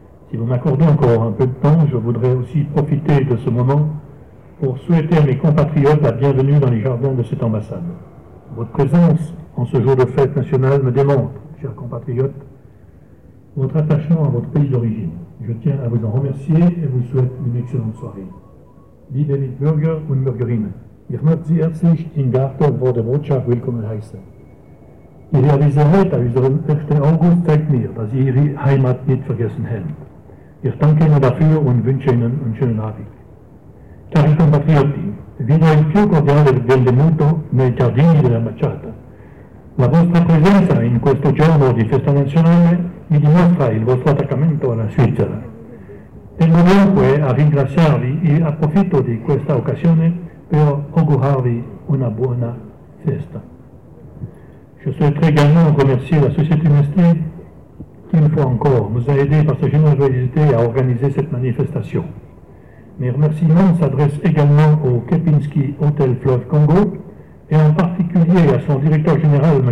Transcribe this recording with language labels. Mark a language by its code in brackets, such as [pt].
[fr] Si vous m'accordez encore un peu de temps, je voudrais aussi profiter de ce moment pour souhaiter à mes compatriotes la bienvenue dans les jardins de cette ambassade. Votre présence en ce jour de fête nationale me démontre, chers compatriotes, votre attachement à votre pays d'origine. Je tiens à vous en remercier et vous souhaite une excellente soirée. [de] Liebe Mitbürger und Bürgerinnen, ich möchte Sie herzlich im Garten vor der Botschaft willkommen heißen. Ich erwiese heute, an unserem 1. August, zeigt mir, dass Sie Ihre Heimat nicht vergessen haben. Ich danke Ihnen dafür und wünsche Ihnen einen schönen Abend. [it] Cari compatrioti, vi do il più cordiale benvenuto nei giardini dell'ambasciata. La vostra presenza in questo giorno di festa nazionale mi dimostra il vostro attaccamento alla Svizzera. Tengo dunque a ringraziarvi e approfitto di questa occasione per augurarvi una buona festa. [fr] Je souhaiterais également remercier la Société Mestre qui, une fois encore, nous a aidés par sa générosité à organiser cette manifestation. Mes remerciements s'adressent également au Kepinski Hotel Fleuve Congo et en particulier à son directeur général, M.